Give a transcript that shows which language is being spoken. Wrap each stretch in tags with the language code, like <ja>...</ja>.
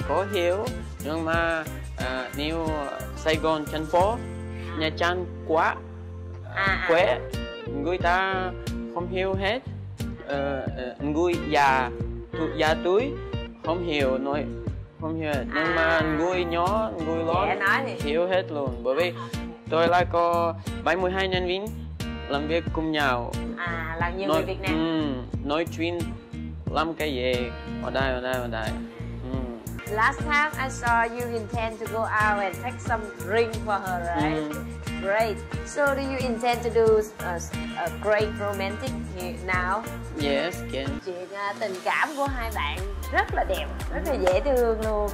<vi>Có hiểu, nhưng mà nếu Sài Gòn, thành phố, Nha Trang quá quê, người ta không hiểu hết, người già tuổi không hiểu nói, không hiểu, nhưng mà người nhỏ, người lớn hiểu hết luôn, bởi vì tôi là có 72 nhân viên làm việc cùng nhau. À, là nhiều nói, người Việt Nam. Nói chuyện làm cái gì ở đây.</vi> <en>Last time I saw you intend to go out and take some drink for her, right? Great. So do you intend to do a great romantic now? Yes, can.</en> <vi>Chuyện tình cảm của hai bạn rất là đẹp, rất là dễ thương luôn.</vi>